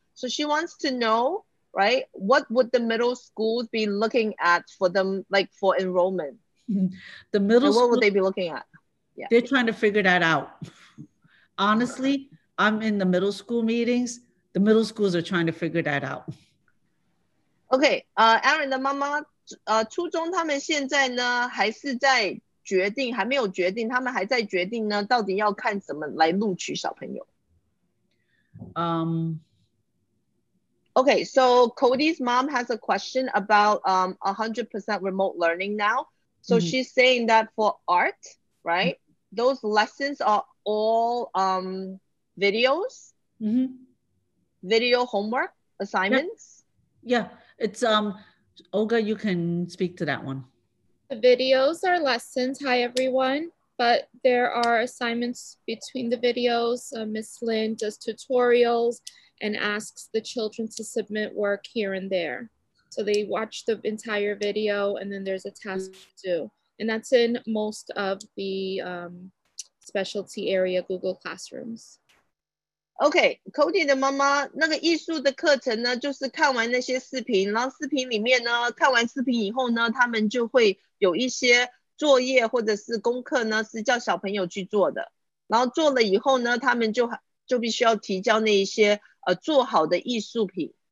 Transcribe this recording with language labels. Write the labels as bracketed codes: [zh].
[en] So she wants to know, right, what would the middle school be looking at for them, like for enrollment? The middle school, what would they be looking at? Yeah, they're trying to figure that out. Honestly, I'm in the middle school meetings. The middle schools are trying to figure that out. [zh] Aaron 的妈妈，初中他们现在呢还是在决定，还没有决定，他们还在决定呢，到底要看怎么来录取小朋友。 [en] So Cody's mom has a question about 100% remote learning now. So she's saying that for art, right? Those lessons are all videos. Mm-hmm. Video homework assignments. Yep. Yeah, it's Olga, you can speak to that one. The videos are lessons. Hi, everyone. But there are assignments between the videos. Miss Lin does tutorials and asks the children to submit work here and there. So they watch the entire video and then there's a task to do. And that's in most of the specialty area Google Classrooms. [zh] OK，Cody 的妈妈那个艺术的课程呢，就是看完那些视频，然后视频里面呢，看完视频以后呢，他们就会有一些作业或者是功课呢，是叫小朋友去做的。然后做了以后呢，他们就必须要提交那一些做好的艺术品。